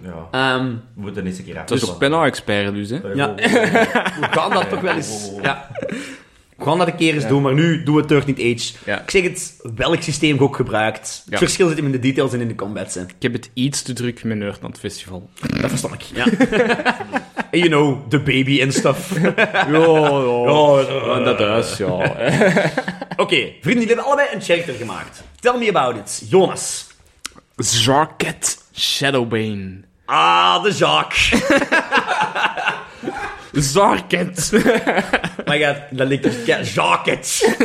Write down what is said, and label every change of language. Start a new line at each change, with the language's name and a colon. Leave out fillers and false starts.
Dutch: Ja. We moeten eens een keer afwisselen. Dus ik ben al expert, dus. Hè? Ja. We gaan dat toch wel eens... Ja. We gaan dat een keer eens doen, maar nu doen we 13th Age. Ja. Ik zeg het, welk systeem je ook gebruikt. Ja. Het verschil zit hem in de details en in de combats. Hè. Ik heb het iets te druk met Nerd aan het festival. Dat verstand ik, ja.
English: You know, the baby and stuff.
Dutch: Ja, dat is, ja. Oké, vrienden, jullie hebben allebei een character gemaakt.
English: Tell me about it. Jonas.
Dutch: Zarket Shadowbane. Ah, de Jacques. Zarket.
English: My god,
Dutch: dat ligt op Jacket.